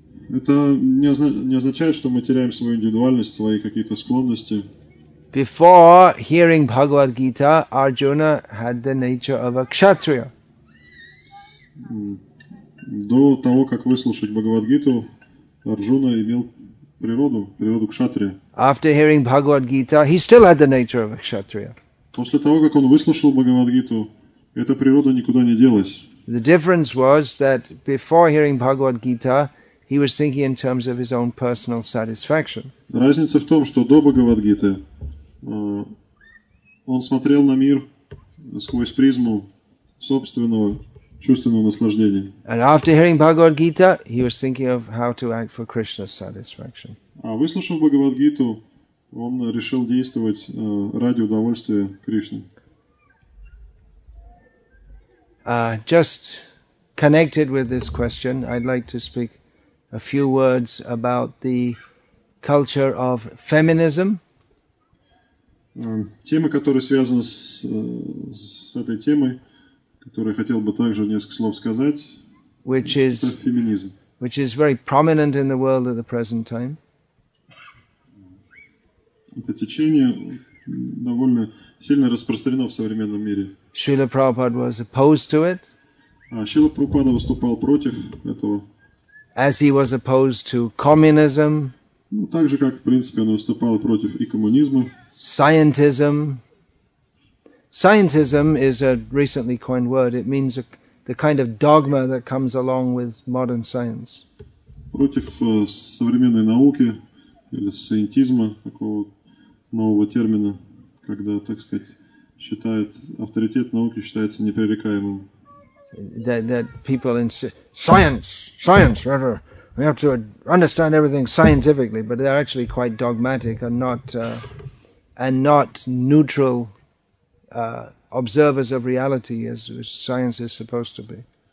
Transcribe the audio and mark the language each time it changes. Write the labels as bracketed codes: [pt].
[ru] Это не означает, что мы теряем свою индивидуальность, свои какие-то склонности. [en] Before hearing Bhagavad Gita, Arjuna had the nature of a kshatriya. [ru] До того, как выслушать Бхагавад Гиту, Арджуна имел природу кшатрия. [en] After hearing Bhagavad Gita, he still had the nature of a kshatriya. [ru] После того, как он выслушал Бхагавад-гиту, эта природа никуда не делась. [en] The difference was that before hearing Bhagavad-gita, he was thinking in terms of his own personal satisfaction. [ru] Разница в том, что до Бхагавад-гиты он смотрел на мир сквозь призму собственного чувственного наслаждения. [en] And after hearing Bhagavad Gita, he was thinking of how to act for Krishna's satisfaction. [ru] А выслушав Бхагавад-гиту, он решил действовать ради удовольствия Кришны. [en] Just connected with this question, I'd like to speak a few words about the culture of feminism. [ru] Тема, которая связана с этой темой, которую хотел бы также несколько слов сказать, [en] which is [ru] феминизм, [en] which is very prominent in the world at the present time. [ru] Это течение довольно сильно распространено в современном мире. [en] Шрила Прабхупада was opposed to it. [ru] Шрила Прабхупада выступал против этого. [en] As he was opposed to communism. [ru] Ну, так же, как, в принципе, он выступал против и коммунизма. [en] Scientism. Scientism is a recently coined word. It means the kind of dogma that comes along with modern science. [ru] Против современной науки или сиентизма, такого нового термина, когда, так сказать, считают, авторитет науки считается непререкаемым. [en] That people in science, rather, we have to understand everything scientifically, but they're actually quite dogmatic and not neutral observers of reality as science is supposed to be.